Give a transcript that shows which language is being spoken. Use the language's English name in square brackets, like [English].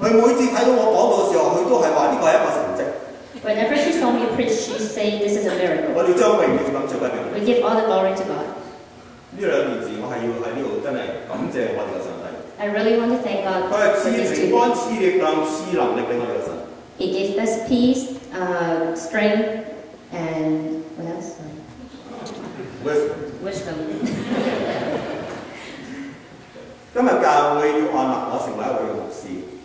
[Cantonese] 佢每次睇到我講到嘅時候，佢都係話呢個係一個成績。 [English] Whenever she saw me preach, she say this is a miracle. [Cantonese] 我要將榮耀歸俾神。 [English] We give all the glory to God. [Cantonese] 呢兩件事，我係要喺呢度真係感謝我哋嘅上帝。 [English] I really want to thank God. [Cantonese] 佢係賜平安、賜力量、賜能力俾我哋嘅神。 [English] He gives us peace, strength, and what else? Wisdom. Wisdom. [Cantonese] 今日教會要按立我成為一位牧師。